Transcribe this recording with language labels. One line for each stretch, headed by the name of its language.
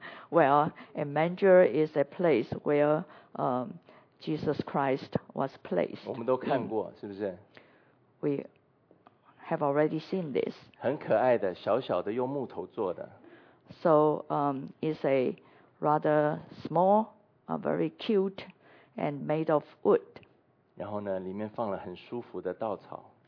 English: Well, a manger is a place where Jesus Christ was placed.
Chinese: 我们都看过，是不是？
English: We have already seen this.
Chinese: 很可爱的，小小的，用木头做的。
English: So, it's a rather small, very cute, and made of wood.
Chinese: 然后呢，里面放了很舒服的稻草。